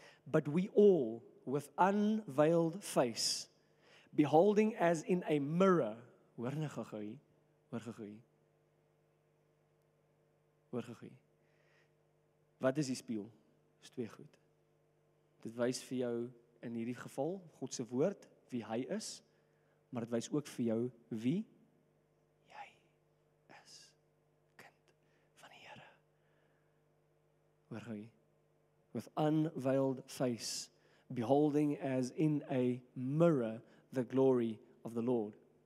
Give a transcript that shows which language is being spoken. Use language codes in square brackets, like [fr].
[en] But we all, with unveiled face, beholding as in a mirror, [af] hoor gegooi. Wat is die spieël? Is twee goed. Dit wys vir jou in hierdie geval God se woord wie hy is, maar dit wys ook vir jou wie jy is, kind van die Here. Hoor gou, [en] with unveiled face beholding as in a mirror the glory of the Lord.